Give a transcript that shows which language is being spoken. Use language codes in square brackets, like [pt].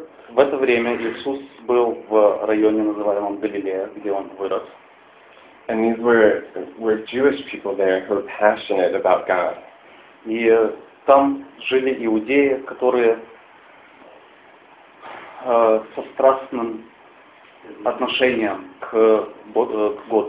[ru] В это время Иисус был в районе, называемом Галилея, где он вырос. [en] And these were Jewish people there who were passionate about God. [ru] И там жили иудеи, которые со страстным отношением к Богу.